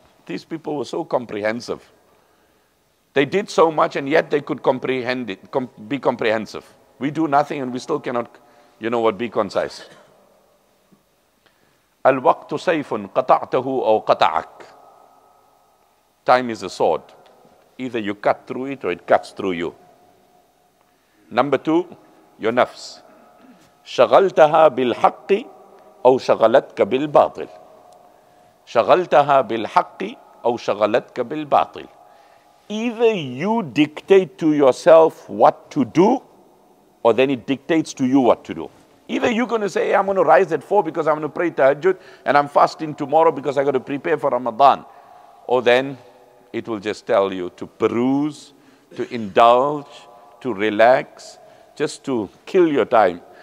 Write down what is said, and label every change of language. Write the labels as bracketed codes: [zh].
[en] These people were so comprehensive. They did so much and yet they could comprehend it, be comprehensive. We do nothing and we still cannot, you know what, be concise. [ar] Al-waqtu sayfun qata'tahu aw qata'ak. [en] Time is a sword. Either you cut through it or it cuts through you. Number two, your nafs. [ar] شغلتها بالحق أو شغلتك بالباطل شغلتها بالحق أو شغلتك بالباطل. [en] Either you dictate to yourself what to do, or then it dictates to you what to do. Either you're going to say, hey, I'm going to rise at 4 because I'm going to pray tahajjud, and I'm fasting tomorrow because I got to prepare for Ramadan, or then it will just tell you to peruse, to indulge, to relax, just to kill your time.